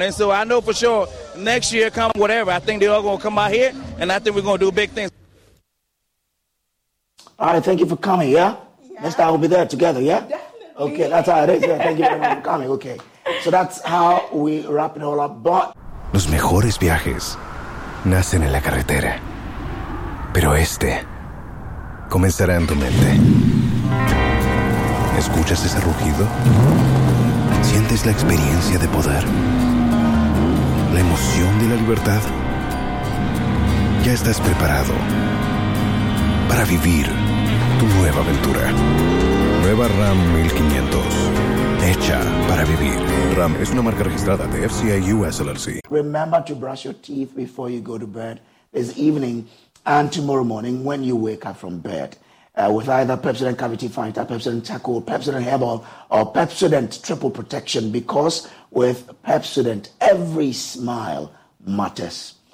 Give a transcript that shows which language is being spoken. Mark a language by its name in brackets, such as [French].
[English] And so I know for sure next year, come whatever, I think they're all going to come out here, and I think we're going to do big things. All right, thank you for coming, yeah? Next time we'll be there together, yeah? Definitely. Okay, that's how it is. Yeah, thank you very much for coming. Okay, so that's how we wrap it all up. But [Spanish] los mejores viajes nacen en la carretera, pero este comenzará en tu mente. ¿Escuchas ese rugido? ¿Sientes la experiencia de poder? ¿La emoción de la libertad? Ya estás preparado para vivir tu nueva aventura. Nueva Ram 1500. Hecha para vivir. Ram es una marca registrada de FCA US LLC. [English] Remember to brush your teeth before you go to bed this evening and tomorrow morning when you wake up from bed. With either Pepsodent Cavity Fighter, Pepsodent Charcoal, Pepsodent Hairball, or Pepsodent Triple Protection, because with Pepsodent, every smile matters.